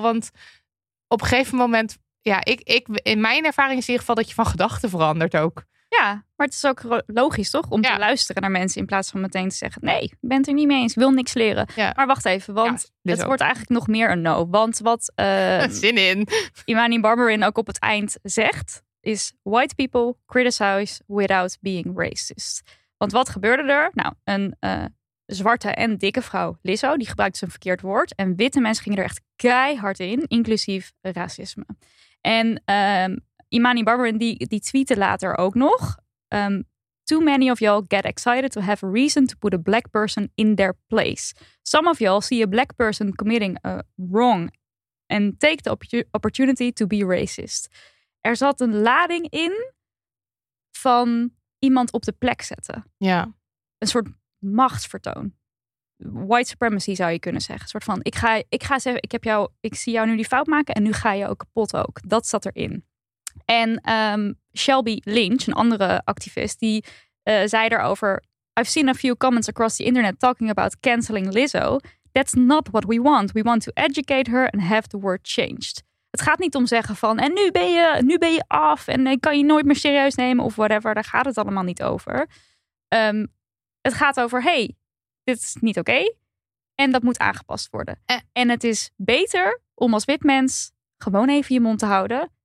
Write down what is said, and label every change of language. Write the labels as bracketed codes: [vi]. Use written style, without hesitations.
[nl] Want op een gegeven moment, ja, ik in mijn ervaring is in ieder geval dat je van gedachten verandert ook. Ja, maar het is ook logisch, toch? Om te luisteren naar mensen in plaats van meteen te zeggen... nee, ik ben het er niet mee eens, ik wil niks leren. Ja. Maar wacht even, want ja, het ook. Wordt eigenlijk nog meer een no. Want wat zin in. Imani Barberin ook op het eind zegt... [en] is white people criticize without being racist. [nl] Want wat gebeurde er? Nou, een zwarte en dikke vrouw, Lizzo, die gebruikte een verkeerd woord. En witte mensen gingen er echt keihard in, inclusief racisme. En Imani Barberin, die tweette later ook nog... [en] Too many of y'all get excited to have a reason to put a black person in their place. Some of y'all see a black person committing a wrong... and take the opportunity to be racist. [nl] Er zat een lading in van iemand op de plek zetten. Ja. Een soort machtsvertoon. White supremacy zou je kunnen zeggen. Een soort van, ik ga zeggen, ik zie jou nu die fout maken en nu ga je ook kapot ook. Dat zat erin. En Shelby Lynch, een andere activist, die zei erover... [en] I've seen a few comments across the internet talking about canceling Lizzo. That's not what we want. We want to educate her and have the word changed. [nl] Het gaat niet om zeggen van, en nu ben je af en ik kan je nooit meer serieus nemen of whatever. Daar gaat het allemaal niet over. Het gaat over, hey, dit is niet oké. En dat moet aangepast worden. En het is beter om als wit mens gewoon even je mond te houden.